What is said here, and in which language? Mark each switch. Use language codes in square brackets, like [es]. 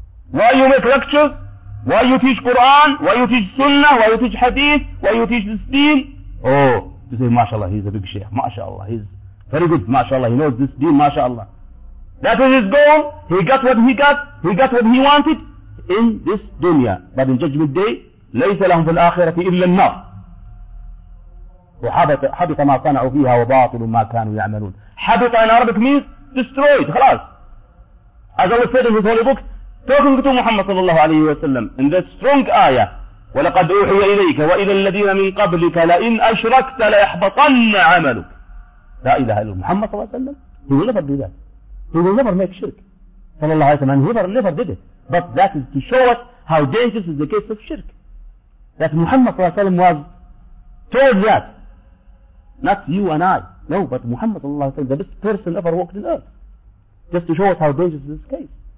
[en] Why you make lectures? Why you teach Quran? Why you teach Sunnah? Why you teach Hadith? Why you teach this deen? Oh, you say, mashallah, he's a big sheikh. Mashallah, he's very good. Mashallah, he knows this deen, mashallah. That is his goal. He got what he got. He got what he wanted in this dunya. But in judgment day, [ar] ليس لهم في الآخرة إلا النار وحبط ما صنعوا فيها وباطل ما كانوا يعملون. [en] حبط in Arabic means destroyed. خلاص. As Allah said in His holy book, talking to Muhammad صلى الله عليه وسلم in that strong ayah, [ar] ولقد أوحي إليك وإلى الذين من قبلك لئن أشركت ليحبطن عملك. لا إله إلا محمد صلى الله عليه وسلم. [en] He will never do that. He will never make shirk. [ar] صلى الله عليه وسلم. [en] And he never did it. But that is to show us how dangerous is the case of shirk. That Muhammad sallallahu alayhi wa sallam was told that. Not you and I. No, but Muhammad sallallahu alayhi wa sallam, the best person ever walked in earth. Just to show us how dangerous this case.